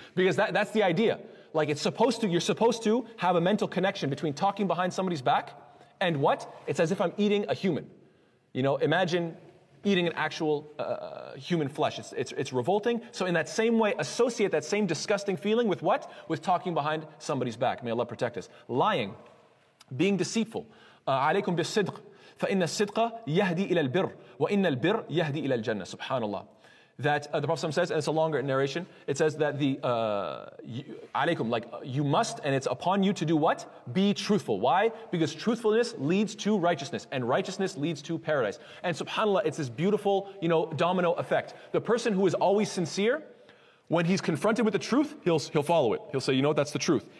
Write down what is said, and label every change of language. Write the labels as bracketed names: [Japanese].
[English] Because that's the idea. Like you're supposed to have a mental connection between talking behind somebody's back and what? It's as if I'm eating a human. You know, imagine eating an actual human flesh. It's revolting. So in that same way, associate that same disgusting feeling with what? With talking behind somebody's back. May Allah protect us. Lying. Being deceitful. [Arabic] عليكم بالصدق. فإن الصدق يهدي إلى البر. وإن البر يهدي إلى الجنة. SubhanAllah. [English] that the Prophet says, and it's a longer narration, it says that the, alaykum, like you must, and it's upon you to do what? Be truthful. Why? Because truthfulness leads to righteousness, and righteousness leads to paradise. And subhanAllah, it's this beautiful, you know, domino effect. The person who is always sincere, when he's confronted with the truth, he'll follow it. He'll say, you know what, that's the truth.